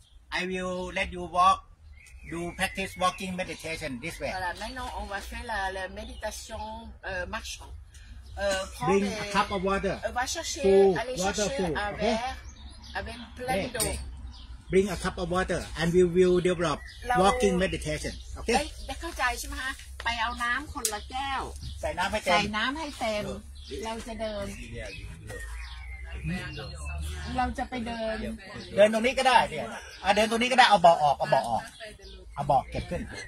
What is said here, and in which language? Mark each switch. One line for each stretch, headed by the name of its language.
English: I will let you walk, do practice walking meditation this way.
French: Voilà, maintenant on va faire la méditation marchant.
English: Bring a cup of water.
French: Va chercher, aller chercher un verre avec plein d'eau.
English: bring a cup of water and we will develop walking meditation okay
Thai: ได้เข้าใจใช่มั้ยฮะไปเอาน้ำคนละแก้ว ใส่น้ำให้เต็ม ใส่น้ำให้เต็มเราจะเดินเราจะไปเดิน เดินตรงนี้ก็ได้เนี่ยเดินตรงนี้ก็ได้เอาเบาะออกเอาเบาะออกเอาเบาะเก็บขึ้น